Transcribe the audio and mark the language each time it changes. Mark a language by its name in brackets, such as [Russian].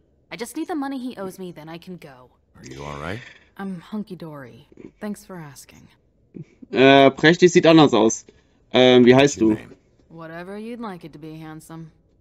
[English] I just need the money he owes me, then I can go. Are you all right? I'm hunky-dory. Thanks for asking. [German] Prächtig sieht anders aus. Wie heißt du? [English] Whatever you'd like it to be, handsome.